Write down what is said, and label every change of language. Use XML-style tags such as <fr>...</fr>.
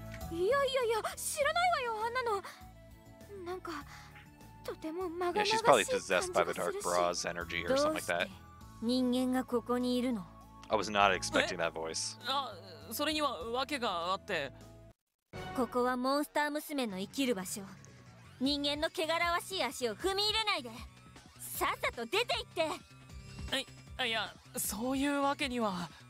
<ja>いやいやいや、知らないわよ、あんなの。なんかとても</ja> <en>Yeah, she's probably possessed by the dark bra's energy or something like that.</en> <ja>人間がここにいるの。</ja> <en>I was not expecting that voice.</en> <ja>あ、それには訳があって。ここはモンスター娘の生きる場所。人間の汚らわしい足を踏み入れないで。さっさと出て行って。いや、そういうわけには。</ja>